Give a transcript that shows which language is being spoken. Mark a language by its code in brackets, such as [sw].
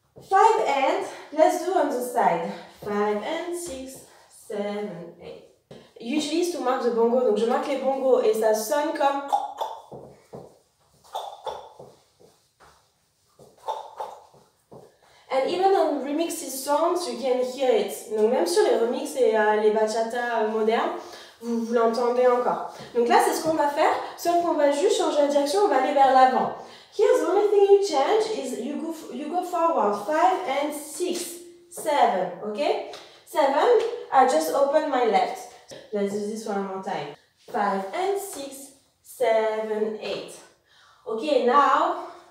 [en] 5 and, let's do on the side. 5 and 6, 7, 8. Usually to mark the bongo, [fr] donc je marque les bongos et ça sonne comme... [en] And even on remixes songs, you can hear it. [fr] Donc même sur les remixes et les bachata modernes, vous l'entendez encore. Donc là, c'est ce qu'on va faire, sauf qu'on va juste changer la direction, on va aller vers l'avant. [en] Here's the only thing you change is you go forward. 5 and 6, 7, ok? 7, I just open my left. Let's do this one more time. 5 and 6, 7, 8. Ok, now...